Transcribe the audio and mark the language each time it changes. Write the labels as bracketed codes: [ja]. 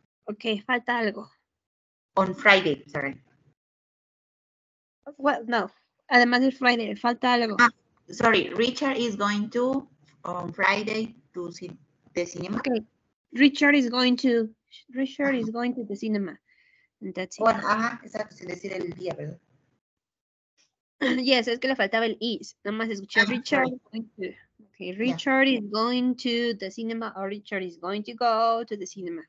[es] Okay, falta algo. [en] On Friday, sorry. [es] Well, no. Además de Friday, falta algo. [en] Sorry, Richard is going to on Friday to the cinema. Okay. Richard is going to the cinema. That's it. [es] Bueno, ajá, exacto, sin decir el día, ¿verdad? Yes, es que le faltaba el is. Nada más escuché Richard. [en] Okay, Richard is going to the cinema, or Richard is going to go to the cinema.